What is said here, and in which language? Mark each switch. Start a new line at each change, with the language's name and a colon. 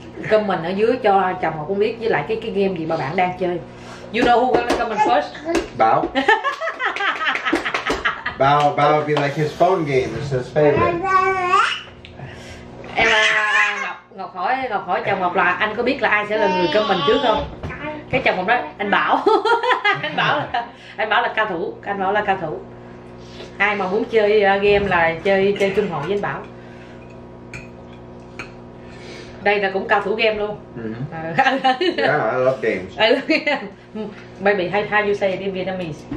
Vietnamese: comment ở dưới cho chồng họ cũng biết với lại cái game gì mà bạn đang chơi.
English: You know who gonna comment first? Bao. Bao, Bao would be like his phone game, it's his favorite.
Vietnamese: Em Ngọc hỏi chồng Ngọc là anh có biết là ai sẽ là người comment trước không? Cái chồng Ngọc đó, anh Bảo. anh Bảo là cao thủ. Ai mà muốn chơi game là chơi chung hội với anh Bảo. Đây là cũng cao thủ game luôn.
English: Yeah, I love games. I love games. Maybe how you say it in Vietnamese?